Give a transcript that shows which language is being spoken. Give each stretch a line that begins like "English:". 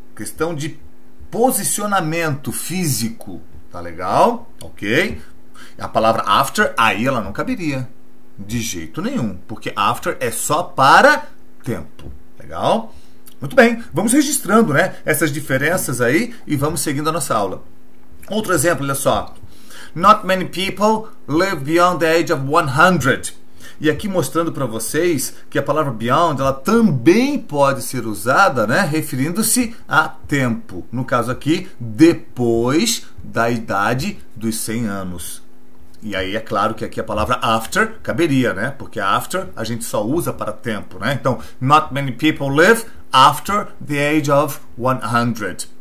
Portuguese: Questão de posicionamento físico. Tá legal? Ok. A palavra after, aí ela não caberia. De jeito nenhum. Porque after é só para tempo. Legal? Muito bem. Vamos registrando, né, essas diferenças aí e vamos seguindo a nossa aula. Outro exemplo, olha só.
English: Not many people live beyond the age of 100.
Portuguese: E aqui mostrando para vocês que a palavra beyond, ela também pode ser usada, né, referindo-se a tempo. No caso aqui, depois da idade dos 100 anos. E aí é claro que aqui a palavra after caberia, né? Porque after a gente só usa para tempo, né?
English: Então, not many people live after the age of 100.